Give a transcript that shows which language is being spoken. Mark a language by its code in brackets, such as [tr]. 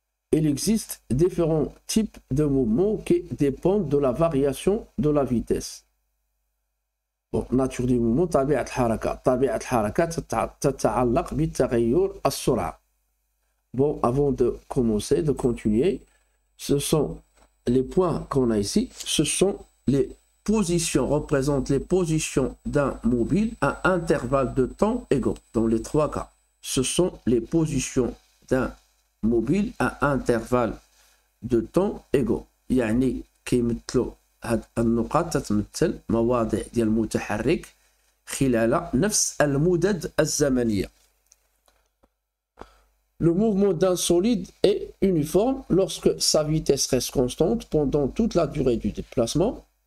[fr] Il existe différents types de mouvements qui dépendent de la variation de la vitesse. Bon, nature du mouvement, [ar] طبيعة الحركة. طبيعة الحركة تتعلق بتغير السرعة. [fr] Bon, avant de commencer, de continuer, ce sont les points qu'on a ici, ce sont les position représente les positions d'un mobile à intervalles de temps égaux. Dans les trois cas, ce sont les positions d'un mobile à intervalles de temps égaux. [ar] يعني كيمثلوا هاد النقاط تتمثل مواضيع ديال المتحرك خلال نفس المدد الزمنية. [fr] Le mouvement d'un solide est uniforme lorsque sa vitesse reste constante pendant toute la durée du déplacement.